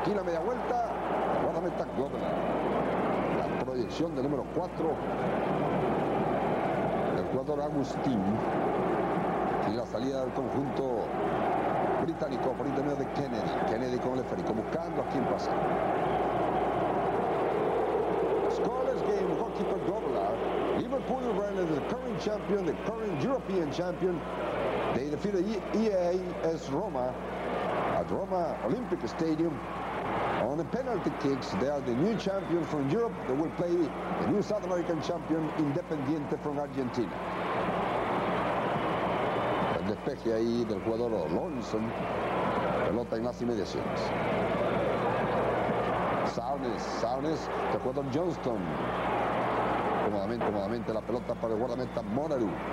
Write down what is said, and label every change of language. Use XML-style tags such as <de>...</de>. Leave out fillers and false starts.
<es>Aquí la media vuelta, guardameta Gómez. La proyección del número 4. Agustín y la salida del conjunto británico por intermedio de Kennedy con el esférico, buscando a quien pasa.</es> <en>Scoreless game, goalkeeper Goblar. Liverpool run as the current champion, the current European champion. They defeated EAS Roma at Roma Olympic Stadium on the penalty kicks. They are the new champion from Europe. They will play the new South American champion Independiente from Argentina.</en> <es>Despeje ahí del jugador Lonson, pelota en las inmediaciones. Saunders, el jugador Johnston. Cómodamente la pelota para el guardameta Morarú.</es>